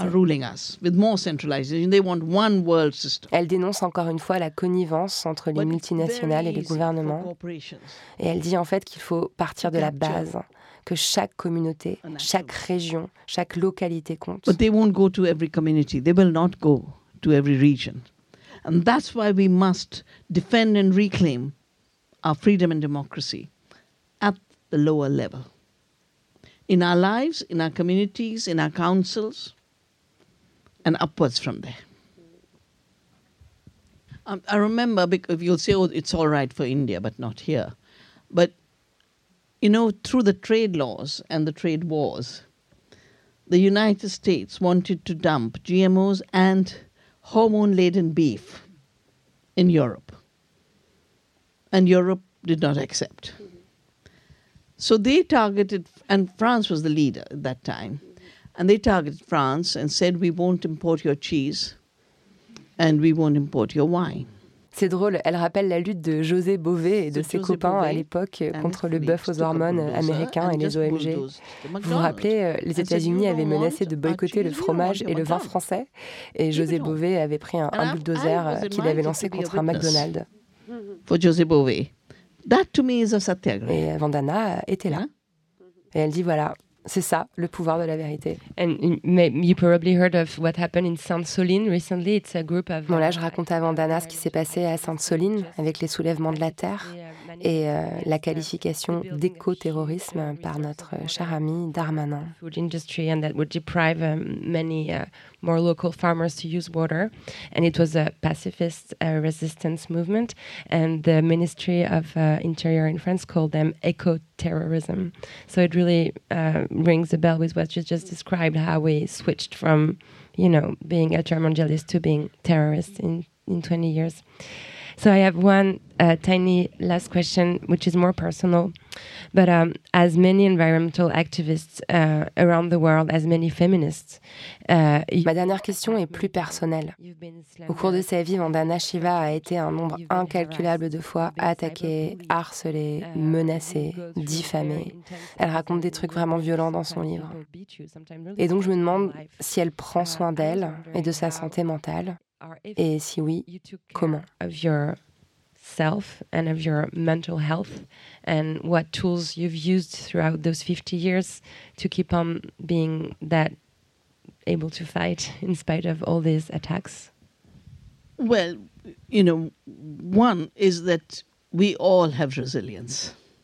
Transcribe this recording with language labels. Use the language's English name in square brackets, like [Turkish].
[English] Are ruling us, with more centralization. They want one world system. [French] Elle dénonce encore une fois la connivence entre les multinationales et les gouvernements. Et elle dit en fait qu'il faut partir de la base, que chaque communauté, chaque région, chaque localité compte. [English] But they won't go to every community. They will not go to every region. And that's why we must defend and reclaim our freedom and democracy at the lower level. In our lives, in our communities, in our councils, and upwards from there. I remember, because you'll say, oh, it's all right for India, but not here. But, you know, through the trade laws and the trade wars, the United States wanted to dump GMOs and hormone-laden beef in Europe. And Europe did not accept. So they targeted, and France was the leader at that time, and they targeted France and said, we won't import your cheese and we won't import your wine. [French] C'est drôle, elle rappelle la lutte de José Bové et de ses copains à l'époque contre le bœuf aux hormones américain et les OMG. Vous vous rappelez, les États-Unis avaient menacé de boycotter le fromage et le vin français, et José Bové avait pris un bulldozer qu'il avait lancé contre un McDonald's. [English] Pour José Bové. That to me is a satyagraha. [French] Et Vandana était là. Et elle dit voilà, c'est ça le pouvoir de la vérité. [English] And you probably heard of what happened in Sainte-Soline recently. It's a group of. [French] Bon là, je raconte à Vandana ce qui s'est passé à Sainte-Soline avec les soulèvements de la terre et la qualification d'éco-terrorisme par notre cher ami Darmanin. [English] Food industry and that would deprive many more local farmers to use water, and it was a pacifist resistance movement, and the Ministry of Interior in France called them eco-terrorism. So it really rings a bell with what you just described, how we switched from, you know, being a German journalist to being terrorists in 20 years. So I have one tiny last question, which is more personal. But as many environmental activists around the world, as many feminists... [French] Ma dernière question est plus personnelle. Au cours de sa vie, Vandana Shiva a été un nombre incalculable de fois attaquée, harcelée, menacée, diffamée. Elle raconte des trucs vraiment violents dans son livre. Et donc je me demande si elle prend soin d'elle et de sa santé mentale. Et si oui, comment? [English] Of yourself and of your mental health, and what tools you've used throughout those 50 years to keep on being that able to fight in spite of all these attacks? Well, you know, one is that we all have resilience.